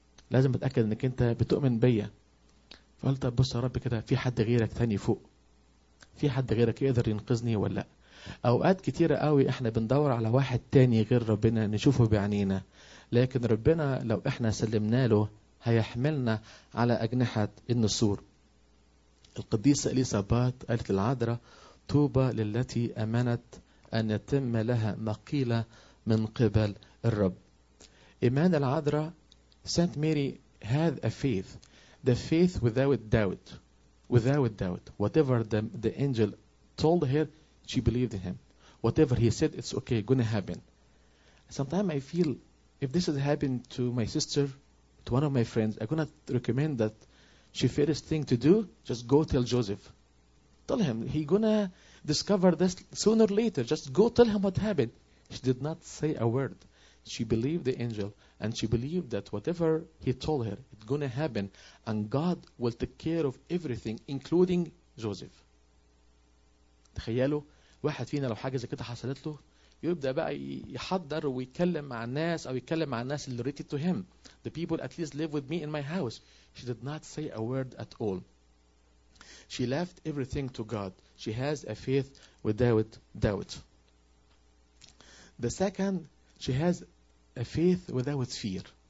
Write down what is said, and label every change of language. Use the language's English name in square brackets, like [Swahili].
[Arabic] لازم اتأكد انك انت بتؤمن بيا. فقال طب بص يا رب كده، في حد غيرك تاني فوق؟ في حد غيرك يقدر ينقذني ولا؟ اوقات كتيرة قوي احنا بندور على واحد تاني غير ربنا نشوفه بعنينا، لكن ربنا لو احنا سلمنا له هيحملنا على اجنحة النسور. القديسة اليسابات قالت العذراء، طوبى للتي امنت ان يتم لها ما قيل من قبل الرب. ايمان العذراء، سانت ميري [English] had a faith. The faith without doubt. Without doubt. Whatever the angel told her, she believed in him. Whatever he said, it's okay, gonna happen. Sometimes I feel, if this has happened to my sister, to one of my friends, I'm gonna recommend that she first thing to do, just go tell Joseph. Tell him, he gonna discover this sooner or later. Just go tell him what happened. She did not say a word. She believed the angel, and she believed that whatever he told her, it's gonna happen, and God will take care of everything, including Joseph. [Arabic] تخيلوا واحد فينا لو حاجة زي كده حصلت له، يبدأ بقى يحضر ويتكلم مع الناس، أو يتكلم مع الناس اللي [English] related to him. The people at least live with me in my house. She did not say a word at all. She left everything to God. She has a faith without doubt. The second, she has a faith without fear.